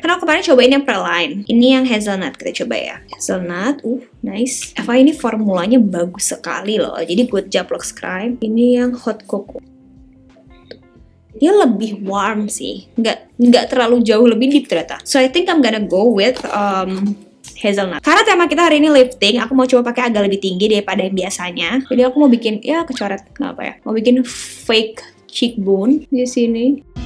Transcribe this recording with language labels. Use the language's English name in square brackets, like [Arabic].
[Indonesian] Karena aku kemarin cobain yang Pearline. Ini yang Hazelnut, kita coba ya. Hazelnut, nice. FYI ini formulanya bagus sekali loh. Jadi good job Luxe Crimes. Ini yang Hot Cocoa. Dia lebih warm sih, nggak terlalu jauh lebih deep ternyata. [English] So I think I'm gonna go with hazelnut. [Indonesian] Karena tema kita hari ini lifting, aku mau coba pakai agak lebih tinggi daripada yang biasanya. Jadi aku mau bikin, ya kecoret, nggak apa ya. Mau bikin fake cheekbone di sini.